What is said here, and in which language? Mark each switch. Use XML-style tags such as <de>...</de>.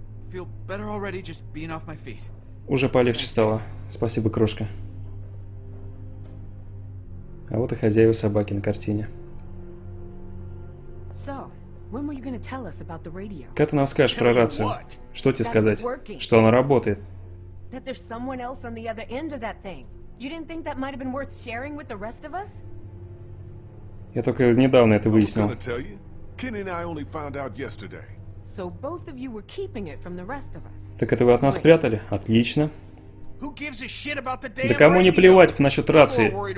<en>Feel better already, just being off my feet.</en> <ru>Уже полегче стало. Спасибо, крошка. А вот и хозяева собаки на картине.</ru> <en>So, when were you gonna tell us about the radio?</en> <ru>Как ты нам скажешь про рацию? Что тебе сказать? Что она работает?</ru> <en>That there's someone else on the other end of that thing. You didn't think that might have been worth sharing with the rest of us?</en> <ru>Я только недавно это выяснил.</ru> <en>Kenny and I only found out yesterday. So both of you were keeping it from the rest of us.</en> <ru>Так это вы от нас прятали? Отлично.</ru> <en>Who gives a shit about the damn</en> <ru>radio? Да кому не плевать насчет рации?</ru>